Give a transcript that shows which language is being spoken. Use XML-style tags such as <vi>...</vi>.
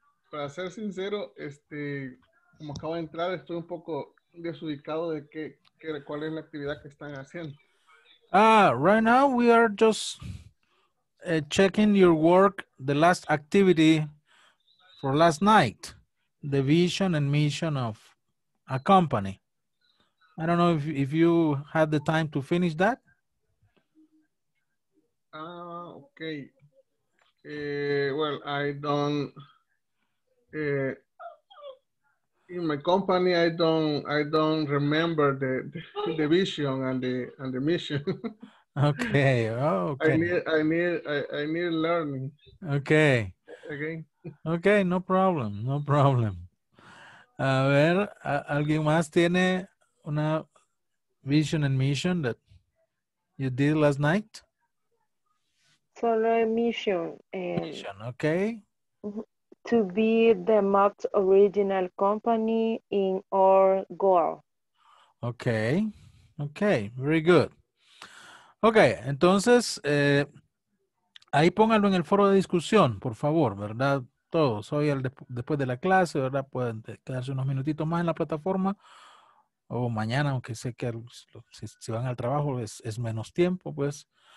<es>Para ser sincero, como acabo de entrar, estoy un poco desubicado de cuál es la actividad que están haciendo.</es> <en>Right now we are just checking your work, the last activity for last night, the vision and mission of a company. I don't know if you had the time to finish that. Okay. Well, I don't. In my company, I don't remember the vision and the mission. Okay. Oh, okay. I need learning. Okay. Again. Okay. No problem. No problem.</en> <es>A ver, alguien más tiene una</es> <en>vision and mission that you did last night.</en> <es>Solo a mission.</es> <en>Mission, okay. To be the most original company in our goal. Okay, okay, very good.</en> <es>Okay, entonces, ahí póngalo en el foro de discusión, por favor, ¿verdad? Todos, hoy después de la clase, ¿verdad? Pueden quedarse unos minutitos más en la plataforma. O mañana, aunque sé que si van al trabajo es menos tiempo, pues.</es>